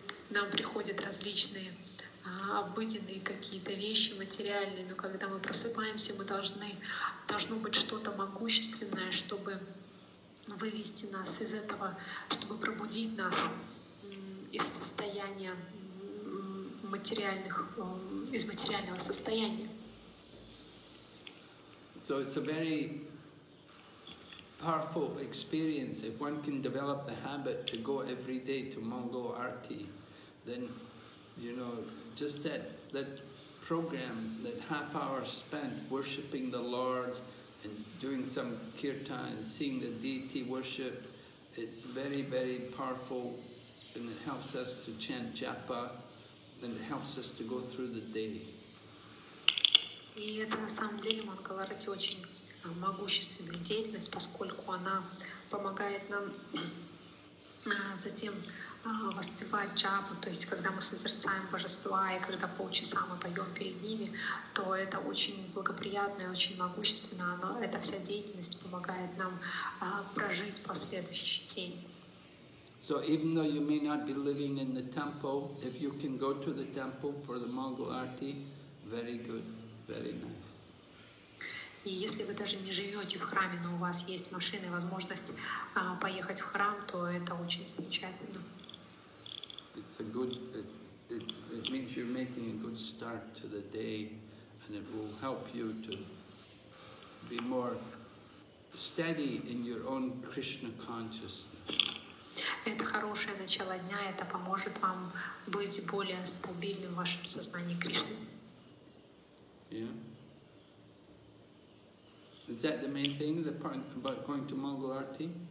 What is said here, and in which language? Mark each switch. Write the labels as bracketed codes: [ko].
[ru] Нам приходят различные обыденные какие-то вещи материальные, но когда мы просыпаемся, мы должно быть что-то могущественное, чтобы вывести нас из этого, чтобы пробудить нас из состояния материальных, из материального состояния. [en] So it's a very powerful experience if one can develop the habit to go every day to Mangala Arati, then you know. Just that program, that half hour spent worshipping the Lord and doing some kirtan, seeing the deity worship, it's very, very powerful, and it helps us to chant japa, and it helps us to go through the day. [ru] И это на самом деле Мангала Арати очень могущественная деятельность, поскольку она помогает нам затем воспевать джапу, то есть когда мы созерцаем божества и когда полчаса мы поем перед ними, то это очень благоприятно и очень могущественно, но эта вся деятельность помогает нам прожить последующий день. [en] So even though you may not be living in the temple, if you can go to the temple for the Mangala Arati, very good, very nice. [ru] И если вы даже не живете в храме, но у вас есть машина и возможность поехать в храм, то это очень замечательно. [en] It's a good, it means you're making a good start to the day, and it will help you to be more steady in your own Krishna consciousness. [ru] Это хорошее начало дня, это поможет вам быть более стабильным в вашем сознании Кришны. [en] Is that the main thing, the part about going to Mangala Arati?